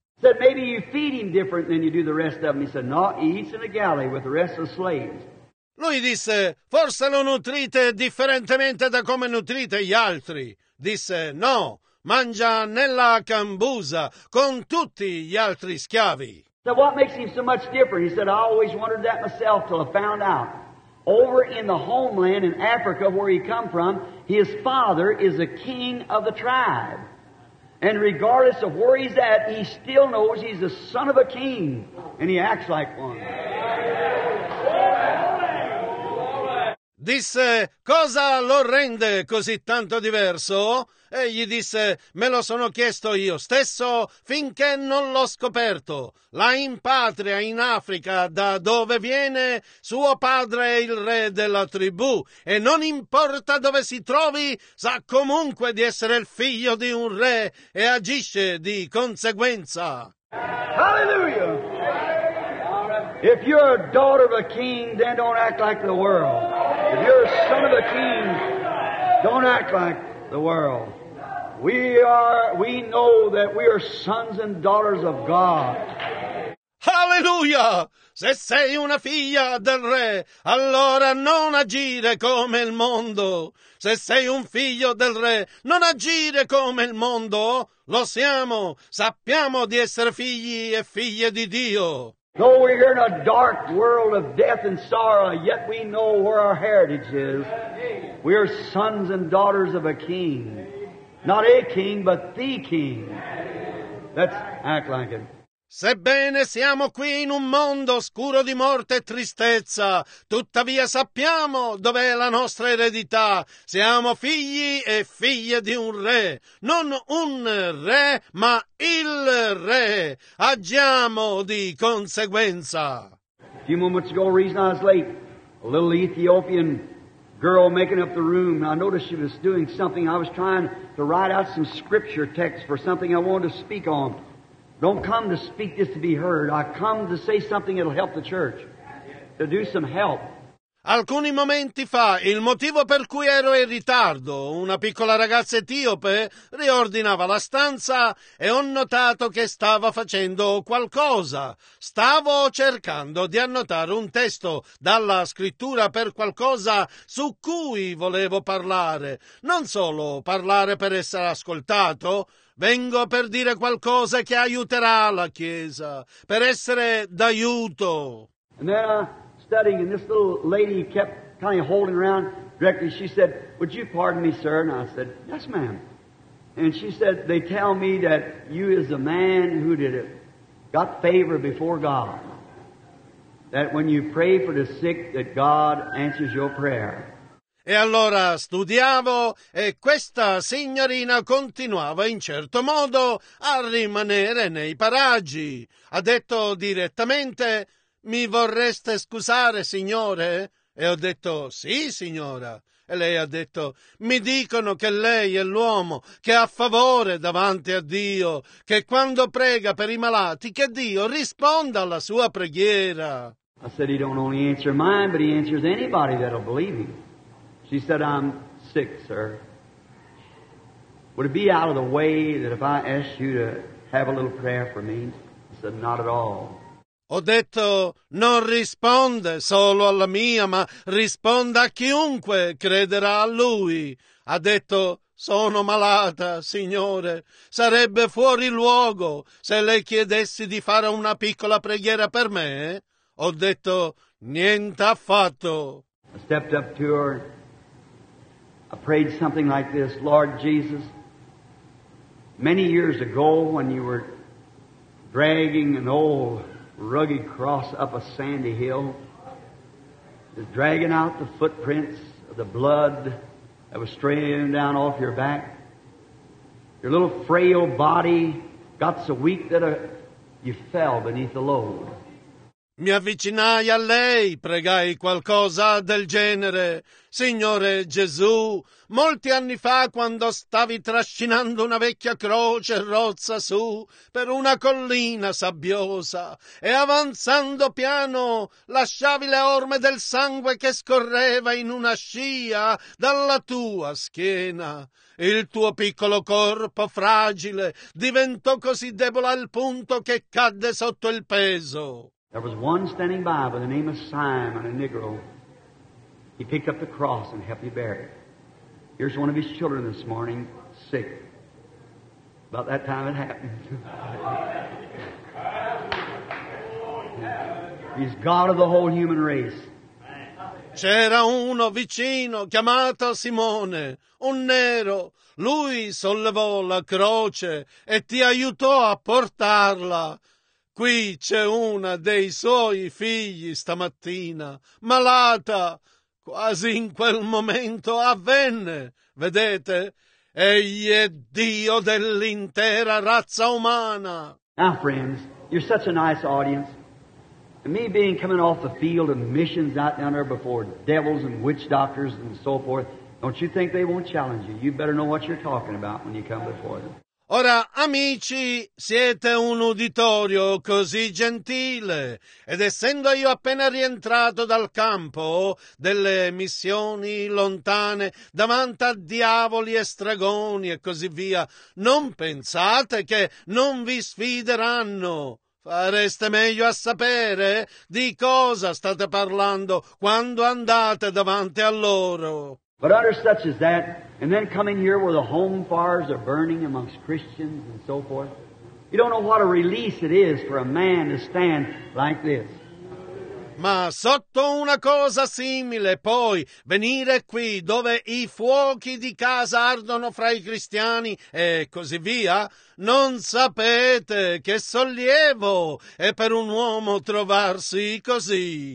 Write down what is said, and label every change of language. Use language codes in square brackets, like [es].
[en] Said, maybe you feed him different than you do the rest of them. He said, no, he eats in a galley with the rest of the slaves. [it] Lui disse, forse lo nutrite differentemente da come nutrite gli altri. Disse, no, mangia nella cambusa con tutti gli altri schiavi. [en] So what makes him so much different? He said, I always wondered that myself till I found out. Over in the homeland in Africa where he come from, his father is a king of the tribe. And regardless of where he's at, he still knows he's the son of a king. And he acts like one. [it] Disse, cosa lo rende così tanto diverso? E gli disse, me lo sono chiesto io stesso finché non l'ho scoperto. Là in patria, in Africa, da dove viene, suo padre è il re della tribù. E non importa dove si trovi, sa comunque di essere il figlio di un re e agisce di conseguenza. [en] Hallelujah! If you're a daughter of a king, then don't act like the world. If you're a son of a king, don't act like the world. We know that we are sons and daughters of God. Hallelujah! [it] Se sei una figlia del re, allora non agire come il mondo. Se sei un figlio del re, non agire come il mondo. Lo siamo, sappiamo di essere figli e figlie di Dio. [en] Though we're in a dark world of death and sorrow, yet we know where our heritage is. We are sons and daughters of a king. Not a king, but the king. Let's act like it. [it] Sebbene siamo qui in un mondo oscuro di morte e tristezza, tuttavia sappiamo dov'è la nostra eredità. Siamo figli e figlie di un re, non un re, ma il re. Agiamo di conseguenza. [en] A few moments ago, the reason I was late, a little Ethiopian girl making up the room, I noticed she was doing something. I was trying to write out some scripture text for something I wanted to speak on. Don't come to speak this to be heard. I come to say something that'll help the church. To do some help. [it] Alcuni momenti fa, il motivo per cui ero in ritardo, una piccola ragazza etiope riordinava la stanza e ho notato che stava facendo qualcosa. Stavo cercando di annotare un testo dalla scrittura per qualcosa su cui volevo parlare. Non solo parlare per essere ascoltato. Vengo per dire qualcosa che aiuterà la Chiesa, per essere d'aiuto. [en] And then studying, and this little lady kept kind of holding around directly. She said, would you pardon me, sir? And I said, yes, ma'am. And she said, they tell me that you is a man who did it, got favor before God. That when you pray for the sick, that God answers your prayer. [it] E allora studiavo e questa signorina continuava in certo modo a rimanere nei paraggi. Ha detto direttamente, mi vorreste scusare, signore? E ho detto, sì, signora. E lei ha detto, mi dicono che lei è l'uomo che ha favore davanti a Dio, che quando prega per i malati, che Dio risponda alla sua preghiera. [en] I said he don't only answer mine, but he answers anybody that'll believe him. She said, I'm sick, sir. Would it be out of the way that if I asked you to have a little prayer for me? I said, not at all. [it] Ho detto, non risponde solo alla mia, ma risponda a chiunque crederà a lui. Ha detto, sono malata, signore. Sarebbe fuori luogo se lei chiedessi di fare una piccola preghiera per me. Ho detto, niente affatto. [en] I stepped up to her. I prayed something like this, Lord Jesus, many years ago when you were dragging an old rugged cross up a sandy hill, dragging out the footprints the blood that was streaming down off your back. Your little frail body got so weak that you fell beneath the load. [it] Mi avvicinai a lei, pregai qualcosa del genere. Signore Gesù, molti anni fa quando stavi trascinando una vecchia croce rozza su per una collina sabbiosa e avanzando piano lasciavi le orme del sangue che scorreva in una scia dalla tua schiena. Il tuo piccolo corpo fragile diventò così debole al punto che cadde sotto il peso. [en] There was one standing by the name of Simon, a Negro. He picked up the cross and helped me bear it. Here's one of his children this morning, sick. About that time it happened. He's God of the whole human race. [it] C'era uno vicino chiamato Simone, un nero. Lui sollevò la croce e ti aiutò a portarla. Qui c'è una dei suoi figli stamattina, malata. Quasi in quel momento avvenne, vedete? Egli è Dio dell'intera razza umana. [en] Now, friends, you're such a nice audience. And me being coming off the field and missions out down there before devils and witch doctors and so forth, don't you think they won't challenge you? You better know what you're talking about when you come before them. [it] Ora, amici, siete un uditorio così gentile, ed essendo io appena rientrato dal campo delle missioni lontane, davanti a diavoli e stregoni e così via, non pensate che non vi sfideranno. Fareste meglio a sapere di cosa state parlando quando andate davanti a loro. [en] But utter such as that, and then coming here where the home fires are burning amongst Christians and so forth, you don't know what a release it is for a man to stand like this. [it] Ma sotto una cosa simile, poi, venire qui dove i fuochi di casa ardono fra i cristiani e così via, non sapete che sollievo è per un uomo trovarsi così.